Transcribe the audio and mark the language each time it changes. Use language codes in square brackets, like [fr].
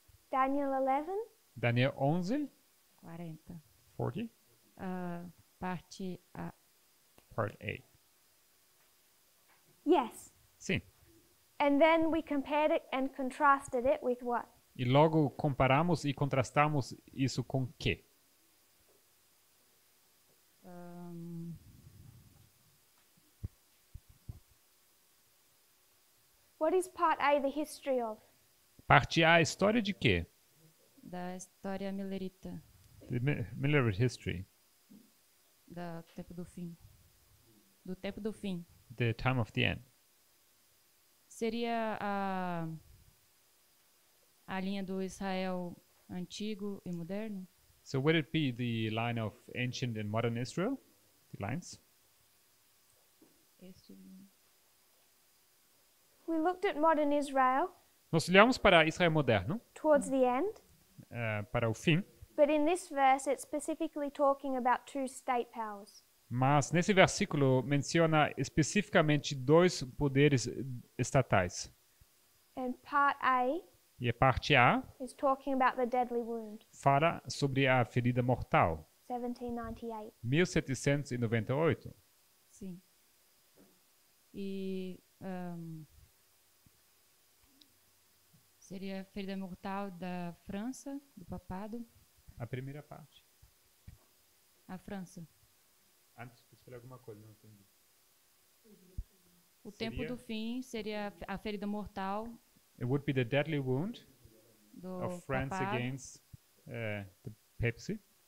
[en] Daniel 11? [pt] Daniel 11? [en] 40. [pt] 40? Parte A. [en] Part A. Yes. [pt] Sim. [en] And then we compared it and contrasted it with what? [pt] E logo comparamos e contrastamos isso com quê? [en] What is part A the history of? [pt] Parte A, história de quê? Da história milerita. [en] The Millerite history. [pt] Da tempo do fim. Do tempo do fim. [en] The time of the end. [pt] Seria a linha do Israel antigo e moderno? [en] So would it be the line of ancient and modern Israel? The lines? We looked at modern Israel. [pt] Nós olhamos para Israel moderno. [en] Towards the end. [pt] Para o fim. [en] But in this verse, it's specifically talking about two state powers. [pt] Mas nesse versículo menciona especificamente dois poderes estatais. [en] And part A, [pt] e a parte A [en] is talking about the deadly wound. [pt] Fala sobre a ferida mortal. 1798. Sim. E seria a ferida mortal da França, do papado? A primeira parte. A França. Antes, posso falar alguma coisa, não entendi. O tempo do fim seria a ferida mortal. [en] It would be the deadly wound of France against the papacy.